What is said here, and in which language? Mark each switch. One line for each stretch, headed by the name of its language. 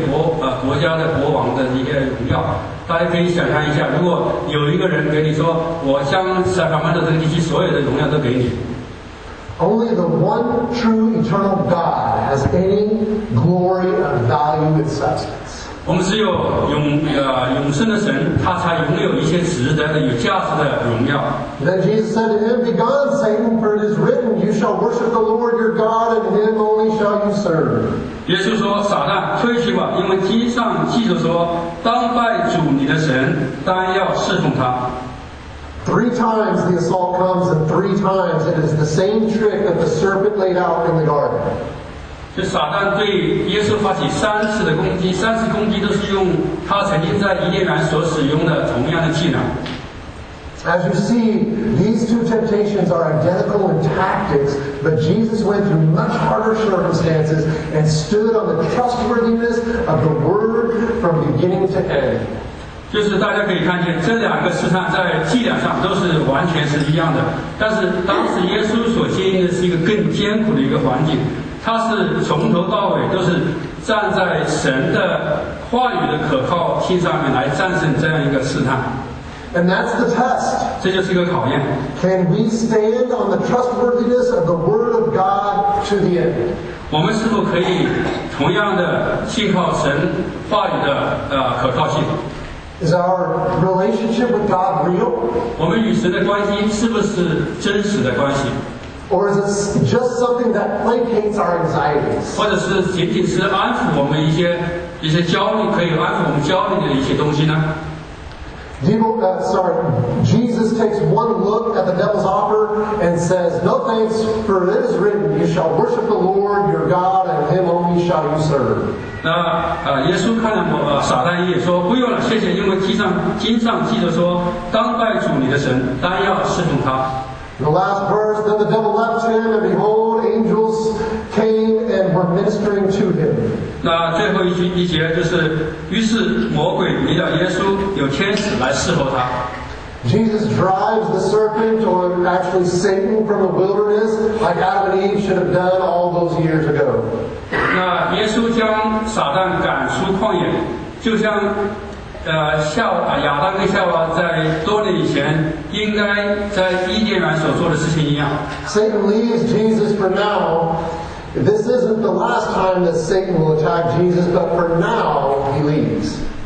Chinese: 其实就是说，也没有什么荣耀可以给的，因为所有的一些荣耀都是神的。那就是说，撒旦那里所说的只是世界上的一些国家的国王的一些荣耀。大家可以想象一下，如果有一个人给你说，我将塞班的这个地区所有的荣耀都给你。
English: Only the one true eternal God has any glory of value and substance.
Chinese: 我们只有永生的神，他才拥有一切值得的、有价值的荣耀。
English: Then Jesus said to him, "Be gone, Satan, for it is written, 'You shall worship the Lord your God, and Him only shall you serve.'"
Chinese: 耶稣说：“撒旦，退去吧，因为经上记着说，当拜主你的神，当要侍奉他。”
English: Three times the assault comes, and three times it is the same trick that the serpent laid out in the garden.
Chinese: 就撒旦对耶稣发起三次的攻击，三次攻击都是用他曾经在伊甸园所使用的同样的伎俩。
English: As you see, these two temptations are identical in tactics, but Jesus went through much harder circumstances and stood on the trustworthiness of the Word from beginning to end.
Chinese: 就是大家可以看见，这两个试探在伎俩上都是完全是一样的，但是当时耶稣所经历的是一个更艰苦的一个环境。他是从头到尾都是站在神的话语的可靠性上面来战胜这样一个试探。
English: And that's the test.
Chinese: 这就是一个考验。
English: Can we stand on the trustworthiness of the Word of God to the end?
Chinese: 我们是否可以同样的信靠神话语的可靠性？
English: Is our relationship with God real?
Chinese: 我们与神的关系是不是真实的关系？
English: Or is it just something that placates our anxieties?
Chinese: 或者是仅仅是安抚我们一些焦虑，可以安抚我们焦虑的一些东西呢？
English: Jesus takes one look at the devil's offer and says, "No thanks, for it is written, 'You shall worship the Lord your God, and Him only shall you serve.'"
Chinese: 那耶稣看了撒旦一眼，说：“不用了，谢谢。因为经上记着说，当拜主你的神，当要侍奉他。”
English: The last verse, then the devil left him, and behold, angels came and were ministering to him.
Chinese: 那最后一节就是，于是魔鬼离了耶稣，有天使来侍候他。
English: Jesus drives the serpent, or actually Satan, from the wilderness, like Adam and Eve should have done all those years ago.
Chinese: 那耶稣将撒旦赶出旷野，就像亚当跟夏娃在多年以前应该在伊甸园所做的事情一样。
English: Satan leaves Jesus for now. This isn't the last time that Satan will attack Jesus, but for now he leaves.